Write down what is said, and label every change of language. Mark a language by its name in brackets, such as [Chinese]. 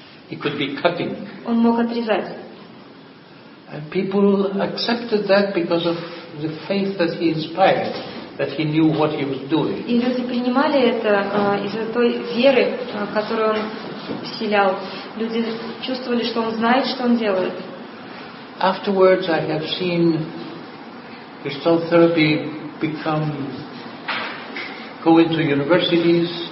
[English] He could be cutting. [Russian] Он мог отрезать. [English] And people accepted that because of the faith that he inspired, that he knew what he was doing. [Russian] И люди принимали это из-за той веры, которую он вселял. Люди чувствовали, что он знает, что он делает. [English] Afterwards, I have seen Gestalt therapy become go into universities.